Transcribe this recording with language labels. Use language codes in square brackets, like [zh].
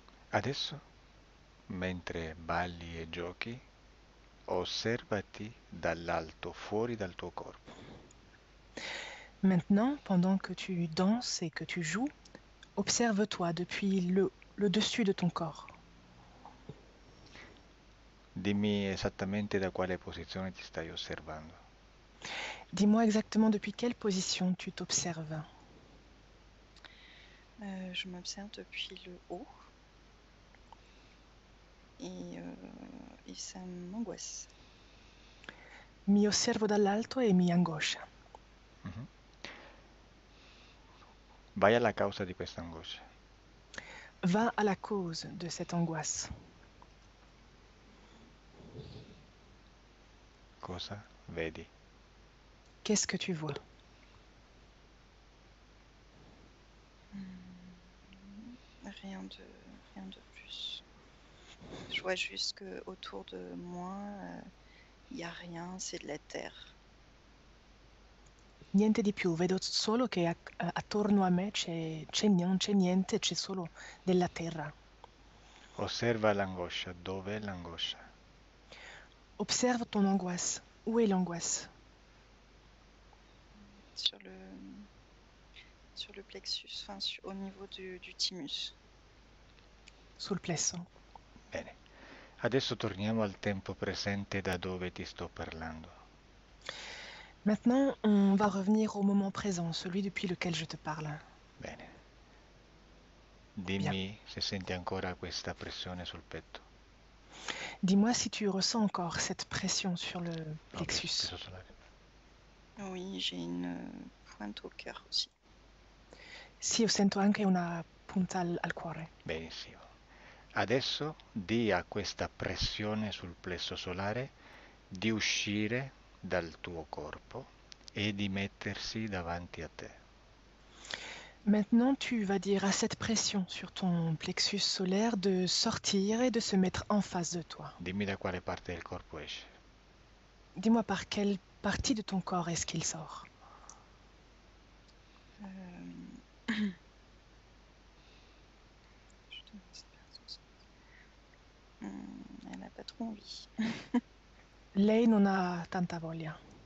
[it] Adesso, mentre balli e giochi, osservati dall'alto, fuori dal tuo corpo. [fr] Maintenant, pendant que tu danses et que tu joues, observe-toi depuis le dessus de ton corpo. [it] Dimmi esattamente da quale posizione ti stai osservando. [fr] Dis-moi exactement depuis quelle position tu t'observes. Je m'observe depuis le haut et ça m'angoisse. [it] Mi osservo dall'alto e mi angoscia. Vai alla causa di questa angoscia. [fr] Va à la cause de cette angoisse. [it] Cosa vedi? [fr] Qu'est-ce que tu vois? Rien de plus. Je vois juste que autour de moi, il n'y a rien, c'est de la terre. [it] Niente di più, vedo solo che attorno a me non c'è niente, c'è solo della terra. Osserva l'angoscia, dov'è l'angoscia? [fr] Observe ton angoisse. Où est l'angoisse? Sur le plexus, enfin, au niveau du thymus. [it] Sul plesso. Adesso torniamo al tempo presente da dove ti sto parlando. [fr] Maintenant, on va revenir au moment présent, celui depuis lequel je te parle. Bien. [it] Dimmi se senti ancora questa pressione sul petto. [fr] Dis-moi si tu ressens encore cette pression sur le [it] Ho preso [fr] plexus. [it] solare. [fr] Oui, j'ai une pointe au cœur aussi. [it] Sì, io sento anche una punta al cuore. Benissimo. Adesso di a questa pressione sul plesso solare di uscire dal tuo corpo e di mettersi davanti a te. [fr] Maintenant, tu vas dire à cette pression sur ton plexus solaire de sortir et de se mettre en face de toi. [it] Dimmi da quale parte del corpo esce. [fr] Dis-moi par quelle partie de ton corps est-ce qu'il sort? Elle n'a pas trop envie. [it] Lei non ha tanta voglia.